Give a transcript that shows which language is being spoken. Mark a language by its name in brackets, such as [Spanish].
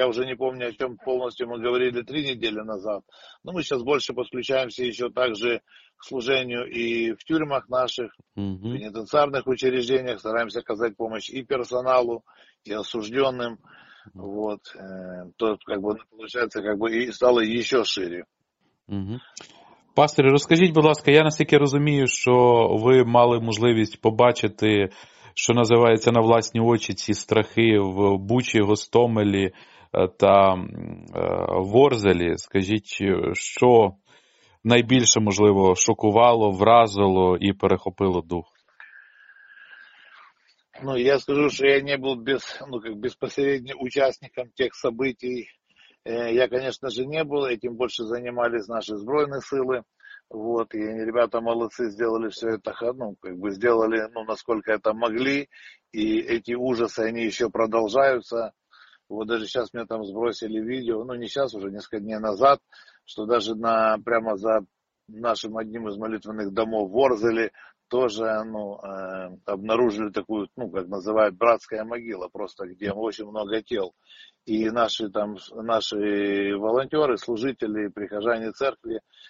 [Russian] Я уже не помню, о чем полностью мы говорили три недели назад. Но мы сейчас больше подключаемся еще также к служению и в тюрьмах наших, в пенитенциарных учреждениях. Стараемся оказать помощь и персоналу, и осужденным. Вот, то как бы получается, как бы и стало еще шире. [Ukrainian] Пастор, розкажіть, будь ласка, я наскільки розумію, що ви мали можливість побачити, що називається, на власні очі ці страхи в Бучі, Гостомелі та Ворзелі. Скажіть, що найбільше, можливо, шокувало, вразило і перехопило дух? Ну, я скажу, що я не був безпосередньо учасником тих [Russian] событий. [Ukrainian] Я, звісно ж, не був, [Russian] этим [Ukrainian] більше займалися наші збройні сили. [Russian] Вот, и ребята молодцы, сделали все это, ну, как бы сделали, ну, насколько это могли, и эти ужасы, они еще продолжаются, вот даже сейчас мне там сбросили видео, ну, не сейчас, уже несколько дней назад, что даже на, прямо за нашим одним из молитвенных домов в Ворзеле тоже, ну, обнаружили такую, ну, как называют, братская могила просто, где очень много тел, и наши там, наши волонтеры, служители, прихожане церкви,